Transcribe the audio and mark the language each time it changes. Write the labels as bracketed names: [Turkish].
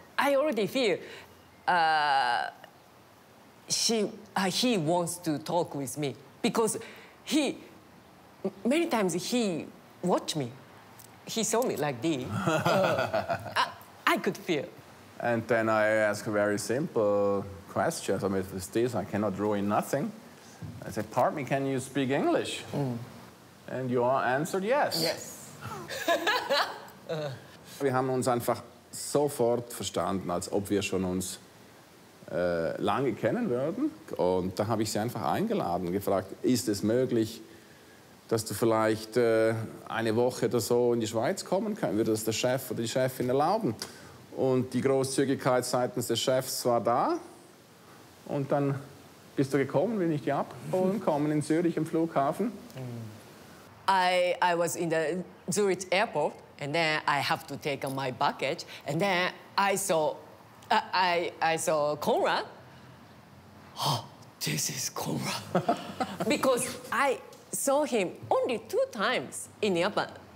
[English] I already feel he wants to talk with me, because many times he watched me. He saw me like this. I could feel. And then I ask a very simple question. I mean, if it's this, I cannot ruin nothing. I said, pardon me, can you speak English? And you all answered yes. Yes. [German] Wir haben uns einfach sofort verstanden, als ob wir schon uns lange kennen würden. Und da habe ich sie einfach eingeladen, gefragt, ist es möglich, dass du vielleicht eine Woche oder so in die Schweiz kommen könntest, würde das der Chef oder die Chefin erlauben. Und die Großzügigkeit seitens des Chefs war da. Und dann bist du gekommen, bin ich dir abholen kommen in Zürich im Flughafen. [English] I was in the Zurich airport and then I have to take my baggage and then I saw Conrad. Oh, this is Conrad. Because I saw him only two times in Japan.